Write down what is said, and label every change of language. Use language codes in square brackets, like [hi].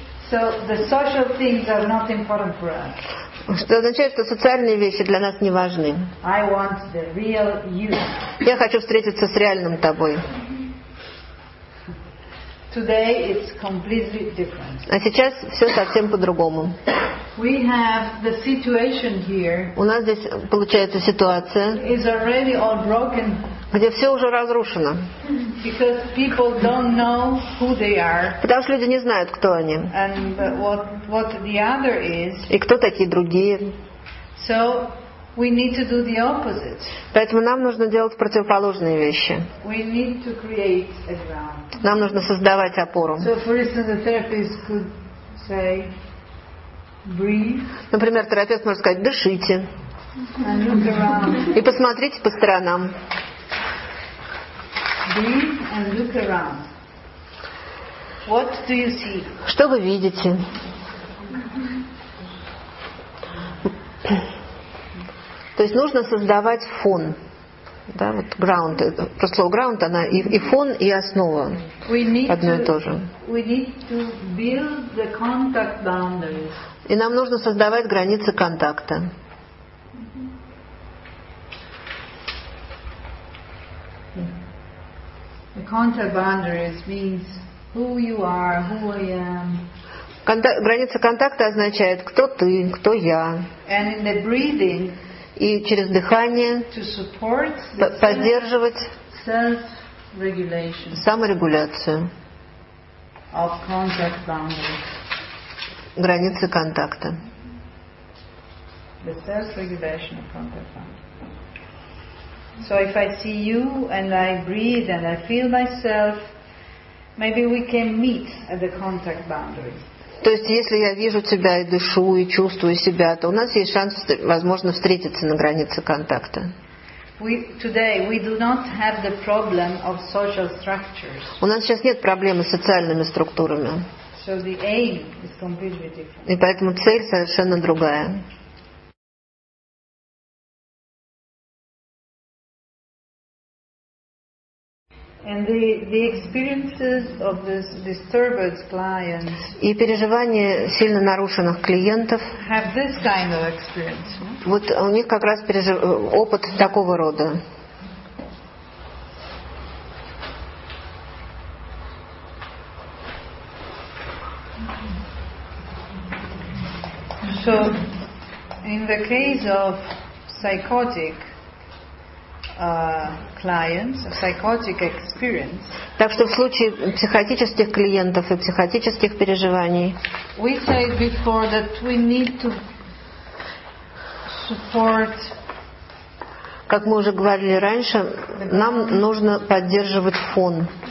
[en] So the social things are not important for us. [ru] Что означает, что социальные вещи для нас не важны. [en] I want the real you. [ru] Я хочу встретиться с реальным тобой. [en] Today it's completely different. [ru] А сейчас все совсем по-другому. [en] We have the situation here. [ru] У нас здесь получается ситуация. [en] Is already all broken. [ru] Где все уже разрушено. [en] Because people don't know who they are. [ru] Потому что люди не знают, кто они. [en] And what the other is. [ru] И кто такие другие. [en] So we need to do the opposite. [ru] Поэтому нам нужно делать противоположные вещи. [en] We need to create a ground. [ru] Нам нужно создавать опору. [en] So for instance, the therapist could say, breathe. [ru] Например, терапевт может сказать, дышите. [en] And look around. [ru] И посмотрите по сторонам. [en] Breathe and look around. What do you see? [ru] Что вы видите? То есть нужно создавать фон. Да, вот ground. Про слово ground, она и фон, и основа. Одно и то же. [en] We need to build the contact boundaries. [ru] И нам нужно создавать границы контакта. [en] The contact boundaries means who you are, who I am. [ru] Граница контакта означает кто ты, кто я. [en] And in the breathing. [ru] И через дыхание. [en] To support. [ru] Поддерживать. [en] Self-regulation. [ru] Саморегуляцию. [en] Of contact boundaries. [ru] Границы контакта. [en] The self-regulation of contact boundaries. So if I see you and I breathe and I feel myself, maybe we can meet at the contact boundary. [ru] То есть если я вижу тебя и дышу и чувствую себя, то у нас есть шанс, возможно, встретиться на границе контакта. [en] Today we do not have the problem of social structures. [ru] У нас сейчас нет проблемы с социальными структурами. [en] So the aim is completely different. [ru] И поэтому цель совершенно другая. [en] And the experiences of this disturbed clients. [ru] И переживания сильно нарушенных клиентов. [en] Have this kind of experience. [ru] Вот у них как раз опыт такого рода. [en] So, in the case of psychotic. Clients, a psychotic experience. [ru] Так что в случае психотических клиентов и психотических переживаний. [en] We said before that we need to support. [ru] Как мы уже говорили раньше, нам нужно поддерживать фон.